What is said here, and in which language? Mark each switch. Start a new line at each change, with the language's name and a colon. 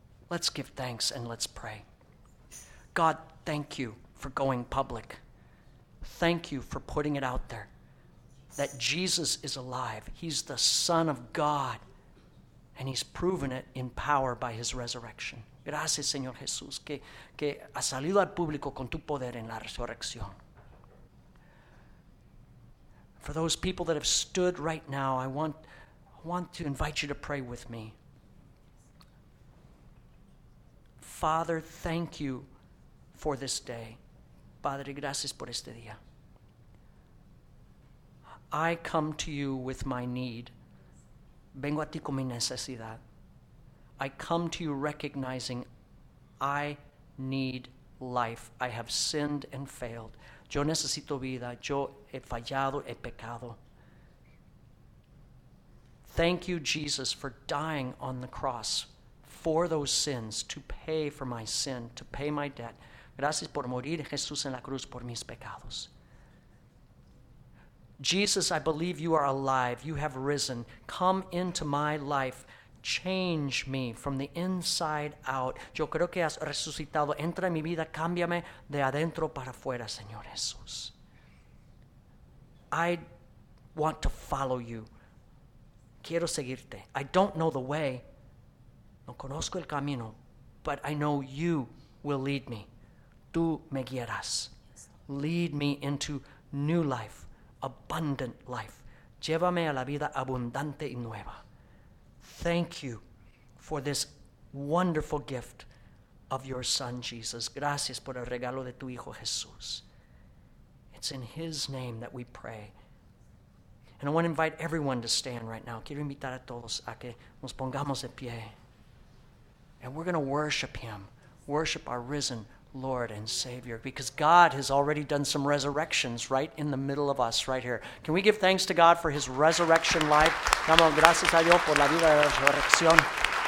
English: Let's give thanks and let's pray. God, thank you for going public. Thank you for putting it out there that Jesus is alive. He's the Son of God. And he's proven it in power by his resurrection.
Spanish: Gracias, Señor Jesús, que ha salido al público con tu poder en la resurrección.
English: For those people that have stood right now, I want to invite you to pray with me. Father, thank you for this day.
Spanish: Padre, gracias por este día.
English: I come to you with my need.
Spanish: Vengo a ti con mi necesidad.
English: I come to you recognizing I need life. I have sinned and failed.
Spanish: Yo necesito vida. Yo he fallado, he pecado.
English: Thank you, Jesus, for dying on the cross for those sins, to pay for my sin, to pay my debt.
Spanish: Gracias por morir, Jesús, en la cruz por mis pecados.
English: Jesus, I believe you are alive. You have risen. Come into my life. Change me from the inside out.
Spanish: Yo creo que has resucitado. Entra en mi vida. Cámbiame de adentro para afuera, Señor Jesús.
English: I want to follow you.
Spanish: Quiero seguirte.
English: I don't know the way.
Spanish: No conozco el camino.
English: But I know you will lead me.
Spanish: Tú me guiarás.
English: Lead me into new life. Abundant life.
Spanish: Llévame a la vida abundante y nueva.
English: Thank you for this wonderful gift of your son, Jesus.
Spanish: Gracias por el regalo de tu hijo, Jesús.
English: It's in his name that we pray. And I want to invite everyone to stand right now.
Spanish: Quiero invitar a todos a que nos pongamos de pie.
English: And we're going to worship him. Worship our risen Lord and Savior, because God has already done some resurrections right in the middle of us, right here. Can we give thanks to God for his resurrection life?
Spanish: Damos gracias a Dios por la vida de la resurrección.